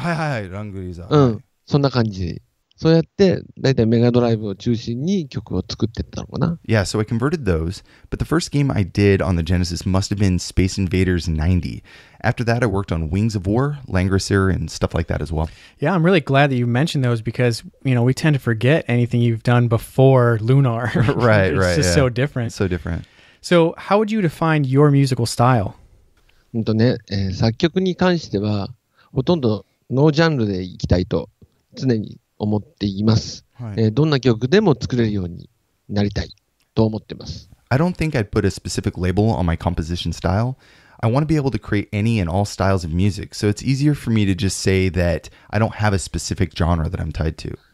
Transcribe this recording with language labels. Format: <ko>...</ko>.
<ja>はいはいはい、ラングリーザー。うん、そんな感じ。そうやって、だいたいメガドライブを中心に曲を作ってったのかな。</ja> <en>Yeah, so I converted those, but the first game I did on the Genesis must have been Space Invaders 90. After that, I worked on Wings of War, Langrisser, and stuff like that as well. Yeah, I'm really glad that you mentioned those because, you know, we tend to forget anything you've done before Lunar. Right, It's right. It's just so different. So different. So how would you define your musical style?</en> <ja>作曲に関してはほとんどノージャンルでいきたいと常に思っています、はい、どんな曲でも作れるようになりたいと思ってます。</ja> <en>I don't think I'd put a specific label on my composition style. I want to be able to create any and all styles of music, so it's easier for me to just say that I don't have a specific genre that I'm tied to.</en>